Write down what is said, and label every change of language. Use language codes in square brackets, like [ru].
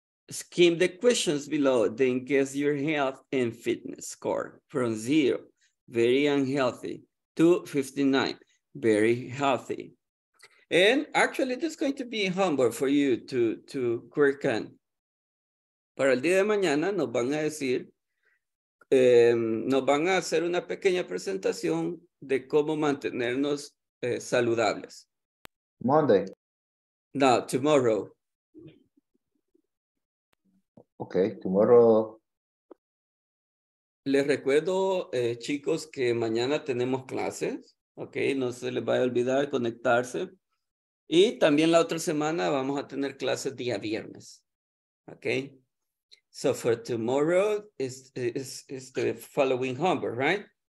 [en] Skim the questions below, then guess your health and fitness score from 0, very unhealthy, to 59, very healthy. And actually, this is going to be homework for you to work on. [es] Para el día de mañana, nos van a decir, nos van a hacer una pequeña presentación de cómo mantenernos saludables. [en] Monday. No, tomorrow. Okay, tomorrow. [es] Les recuerdo, chicos, que mañana tenemos clases. Okay, no se les vaya a olvidar conectarse. Y también la otra semana vamos a tener clases día viernes. [en] Okay. So for tomorrow is the following homework, right?